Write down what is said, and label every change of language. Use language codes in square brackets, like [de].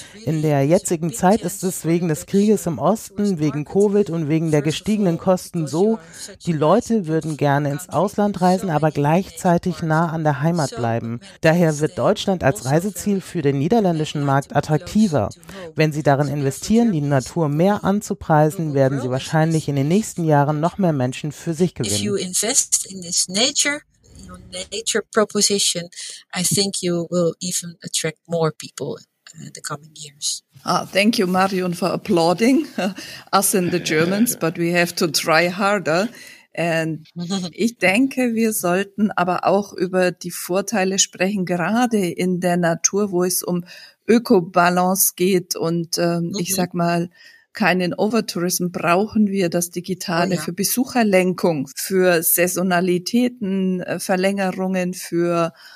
[de] In der jetzigen Zeit ist es wegen des Krieges im Osten, wegen Covid und wegen der gestiegenen Kosten so, die Leute würden gerne ins Ausland reisen, aber gleichzeitig nah an der Heimat bleiben. Daher wird Deutschland als Reiseziel für den niederländischen Markt attraktiver. Wenn Sie darin investieren, die Natur mehr anzupreisen, werden Sie wahrscheinlich in den nächsten Jahren noch mehr Menschen für sich gewinnen. [en] If you invest in this nature, your nature proposition, I think you will even attract more people in the coming years. Ah, thank you, Marion, for applauding us and the Germans, but we have to try harder. [de] And ich denke, wir sollten aber auch über die Vorteile sprechen, gerade in der Natur, wo es um Ökobalance geht und ich sag mal, keinen Overtourism, brauchen wir das Digitale für Besucherlenkung, für Saisonalitäten, Verlängerungen, für